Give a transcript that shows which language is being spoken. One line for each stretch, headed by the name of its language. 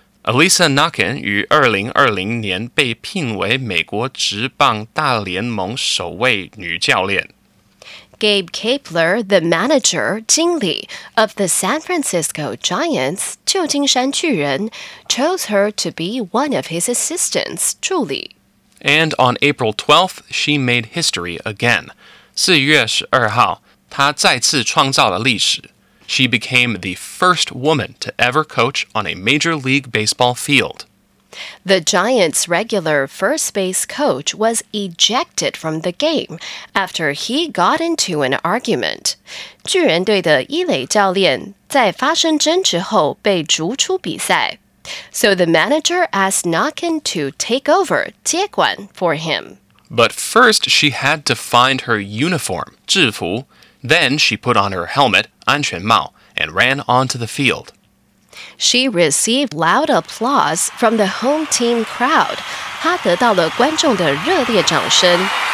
Chinese: Alyssa Nacken 于2020年被聘为美国职棒大联盟首位女教练。
English: Gabe Kapler, the manager, 经理 of the San Francisco Giants, 旧金山巨人 chose her to be one of his assistants, 助理 And on April 12th, she made history again.
Chinese: 4月12号她再次创造了历史。
English: She became the first woman to ever coach on a Major League Baseball field. The Giants' regular first base coach was ejected from the game after he got into an argument.
Chinese: 巨人队的一垒教练在发生争执后被逐出比赛。
English: So the manager asked Nockin to take over 接管 for him. But first she had to find her uniform 制服。 Then she put on her helmet, 安全帽, and ran onto the field. She received loud applause from the home team crowd.
Chinese: 她得到了观众的热烈掌声。